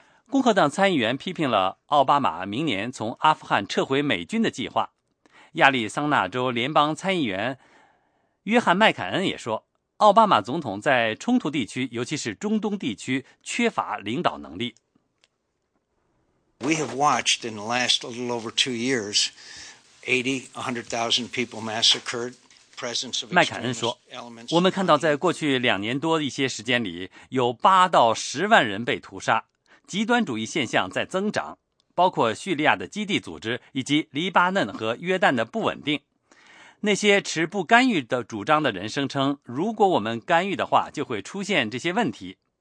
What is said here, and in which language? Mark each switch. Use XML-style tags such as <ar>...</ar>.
<zh>共和党参议员批评了奥巴马明年从阿富汗撤回美军的计划。亚利桑那州联邦参议员约翰·麦凯恩也说，奥巴马总统在冲突地区，尤其是中东地区，缺乏领导能力。</zh> <en>We have watched in the last a little over 2 years, 80,000 people massacred.</en> <zh>麦凯恩说，我们看到在过去两年多的一些时间里，有8-10万人被屠杀，极端主义现象在增长，包括叙利亚的基地组织以及黎巴嫩和约旦的不稳定。那些持不干预的主张的人声称，如果我们干预的话，就会出现这些问题。</zh>